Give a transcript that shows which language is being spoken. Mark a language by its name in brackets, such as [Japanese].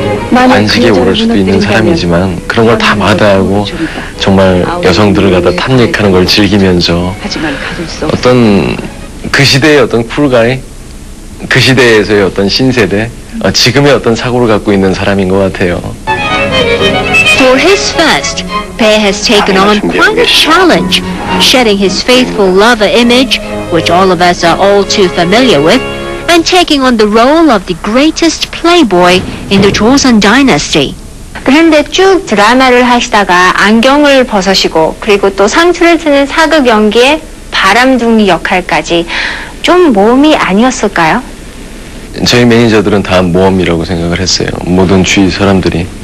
[Korean] 안식에 오를 수도 있는 사람이지만 그런 걸 다 마다하고 정말 여성들을 갖다 탐닉하는 걸 즐기면서 어떤 그 시대의 어떤 쿨가이, 그 시대에서의 어떤 신세대, 지금의 어떤 사고를 갖고 있는 사람인 것 같아요. [English] For his first, Bae has taken on quite a challenge, shedding his faithful lover image, which all of us are all too familiar with, and taking on the role of the greatest playboy in the Joseon dynasty. [Korean] 그런데 쭉 드라마를 하시다가 안경을 벗으시고 그리고 또 상투를 트는 사극 연기에 바람둥이 역할까지, 좀 모험이 아니었을까요? 저희 매니저들은 다 모험이라고 생각을 했어요. 모든 주위 사람들이.